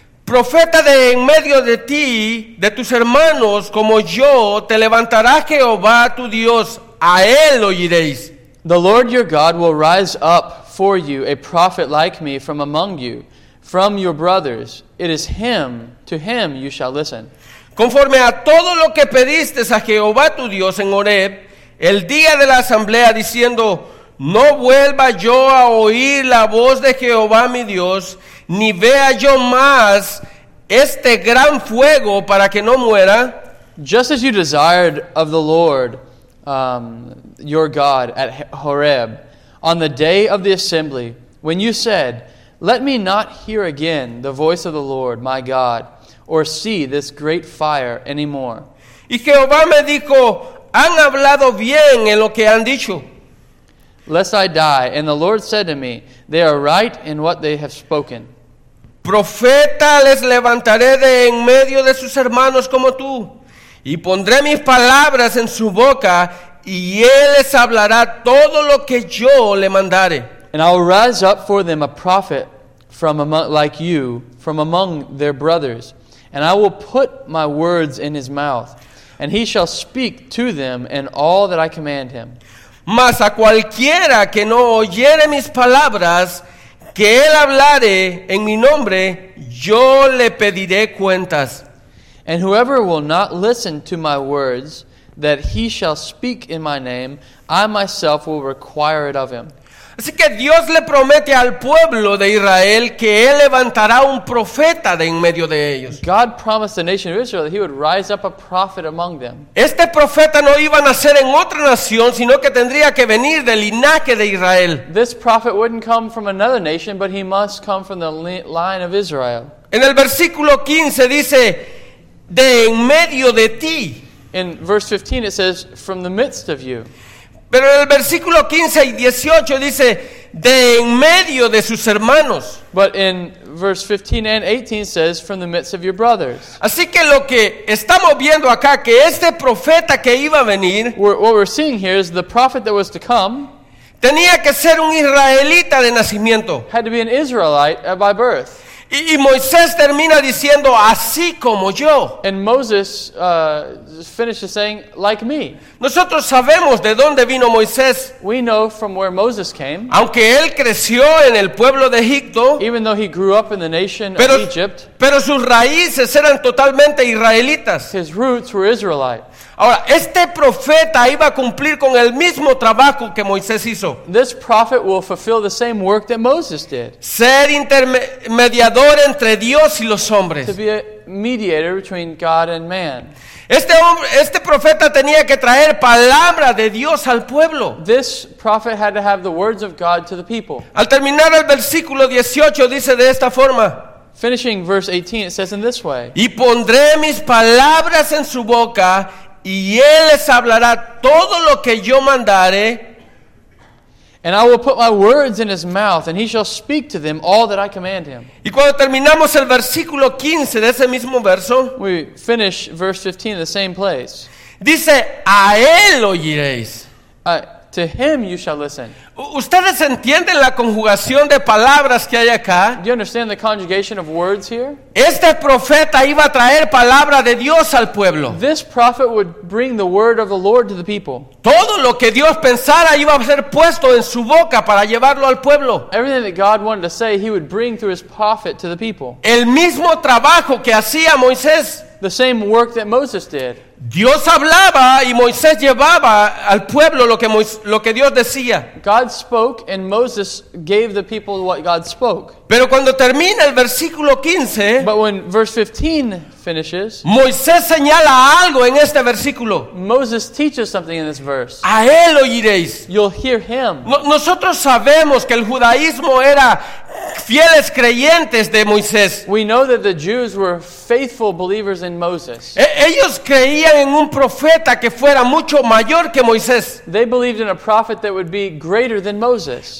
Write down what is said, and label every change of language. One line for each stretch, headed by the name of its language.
Spanish: Profeta de en medio de ti, de tus hermanos como yo, te levantará Jehová tu Dios, a él oiréis.
English: The Lord your God will rise up for you a prophet like me from among you. From your brothers, it is him, to him you shall listen.
Spanish: Conforme a todo lo que pediste a Jehová tu Dios en Horeb, el día de la asamblea, diciendo, no vuelva yo a oír la voz de Jehová mi Dios, ni vea yo más este gran fuego para que no muera.
English: Just as you desired of the Lord, your God, at Horeb, on the day of the assembly, when you said, let me not hear again the voice of the Lord, my God, or see this great fire anymore.
Spanish: Y Jehová me dijo, han hablado bien en lo que han dicho.
English: Lest I die. And the Lord said to me, they are right in what they have spoken.
Spanish: Profeta les levantaré de en medio de sus hermanos como tú, y pondré mis palabras en su boca, y él les hablará todo lo que yo le mandare.
English: And I will rise up for them a prophet from among, like you, from among their brothers. And I will put my words in his mouth. And he shall speak to them in all that I command him.
Spanish: Mas a cualquiera que no oyere mis palabras, que él hablare en mi nombre, yo le pediré cuentas.
English: And whoever will not listen to my words, that he shall speak in my name, I myself will require it of him.
Spanish: Así que Dios le promete al pueblo de Israel que él levantará un profeta de en medio de ellos.
English: God promised the nation of Israel that he would rise up a prophet among them.
Spanish: Este profeta no iba a nacer en otra nación, sino que tendría que venir del linaje de Israel.
English: This prophet wouldn't come from another nation, but he must come from the line of Israel.
Spanish: En el versículo 15 dice, de en medio de ti.
English: In verse 15 it says, from the midst of you.
Spanish: Pero en el versículo 15 y 18 dice, de en medio de sus hermanos.
English: But in verse 15 and 18 says, from the midst of your brothers.
Spanish: Así que lo que estamos viendo acá, que este profeta que iba a venir.
English: What we're seeing here is the prophet that was to come.
Spanish: Tenía que ser un israelita de nacimiento.
English: Had to be an Israelite by birth.
Spanish: Y Moisés termina diciendo, así como yo.
English: And Moses finishes saying, like me.
Spanish: Nosotros sabemos de dónde vino Moisés.
English: We know from where Moses came.
Spanish: Aunque él creció en el pueblo de Egipto.
English: Even though he grew up in the nation of Egypt.
Spanish: Pero sus raíces eran totalmente israelitas.
English: His roots were Israelite.
Spanish: Ahora, este profeta iba a cumplir con el mismo trabajo que Moisés hizo.
English: This prophet will fulfill the same work that Moses did.
Spanish: Ser intermediador entre Dios y los hombres.
English: To be a mediator between God and man.
Spanish: Este profeta tenía que traer palabra de Dios al pueblo.
English: This prophet had to have the words of God to the people.
Spanish: Al terminar el versículo 18 dice de esta forma.
English: Finishing verse 18, it says in this way.
Spanish: Y pondré mis palabras en su boca. Y él les hablará todo lo que yo mandare.
English: And I will put my words in his mouth, and he shall speak to them all that I command him.
Spanish: Y cuando terminamos el versículo 15 de ese mismo verso,
English: we finish verse 15 in the same place.
Spanish: Dice, a él oiréis.
English: To him you shall listen.
Spanish: ¿Ustedes entienden la conjugación de palabras que hay acá?
English: Do you understand the conjugation of words here?
Spanish: Este profeta iba a traer palabra de Dios al pueblo.
English: This prophet would bring the word of the Lord to the people.
Spanish: Todo lo que Dios pensara iba a ser puesto en su boca para llevarlo al pueblo.
English: Everything that God wanted to say, he would bring through his prophet to the people.
Spanish: El mismo trabajo que hacía Moisés.
English: the same work that Moses did.
Spanish: Dios hablaba y Moisés llevaba al pueblo lo que Dios decía.
English: God spoke and Moses gave the people what God spoke.
Spanish: Pero cuando termina el versículo 15,
English: but when verse 15 finishes,
Spanish: Moisés señala algo en este versículo.
English: Moses teaches something in this verse.
Spanish: A él oiréis.
English: You'll hear him.
Spanish: Nosotros sabemos que el judaísmo era fieles creyentes de Moisés.
English: We know that the Jews were faithful believers in Moses.
Spanish: Ellos creían en un profeta que fuera mucho mayor que Moisés.
English: They believed in a prophet that would be greater than Moses.